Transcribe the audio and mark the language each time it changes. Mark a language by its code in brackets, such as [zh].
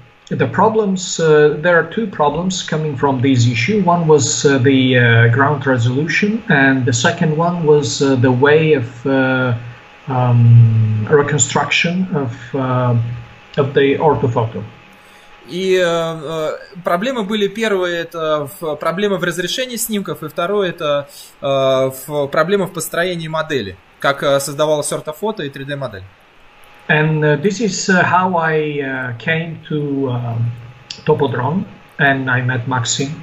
[en] The problems, there are two problems coming from this issue. One was the ground resolution, and the second one was the way of reconstruction of the orthophoto. [ru] И проблемы были, первое, это проблемы в разрешении снимков, и второе, это проблемы в построении модели, как создавалось ортофото и 3D-модель. [en] And this is how I came to Topodrome, and I met Maxim.